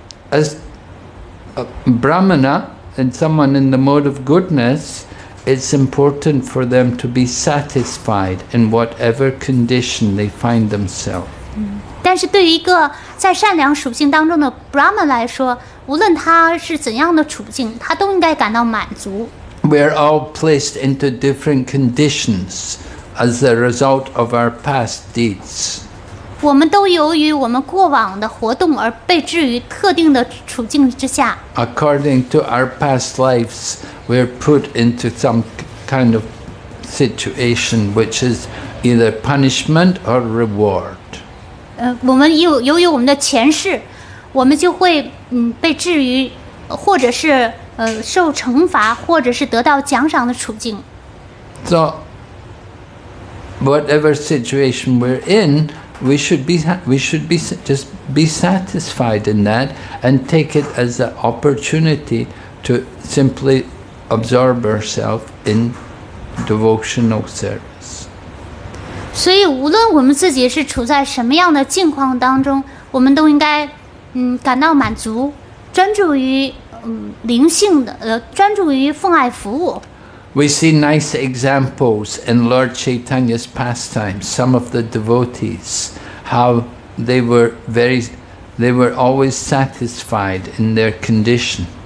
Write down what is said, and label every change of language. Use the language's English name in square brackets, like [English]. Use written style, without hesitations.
[English] as a Brahmana and someone in the mode of goodness, it's important for them to be satisfied in whatever condition they find themselves. [Chinese] 但是对于一个在善良属性当中的 Brahmana 来说， 无论他是怎样的处境， 他都应该感到满足。 [English] We are all placed into different conditions as a result of our past deeds. [Chinese] 我们都由于我们过往的活动而被置于特定的处境之下。 [English] According to our past lives, we are put into some kind of situation which is either punishment or reward. [Chinese] 我们由于我们的前世， 我们就会被置于或者是受惩罚或者是得到奖赏的处境。 [English] So, whatever situation we're in, we should be satisfied in that and take it as an opportunity to simply absorb ourselves in devotional service. [Chinese] 所以无论我们自己是处在什么样的境况当中，我们都应该 感到满足，专注于灵性的，专注于奉爱服务。 [English] We see nice examples in Lord Chaitanya's pastimes. Some of the devotees, how they were always satisfied in their condition.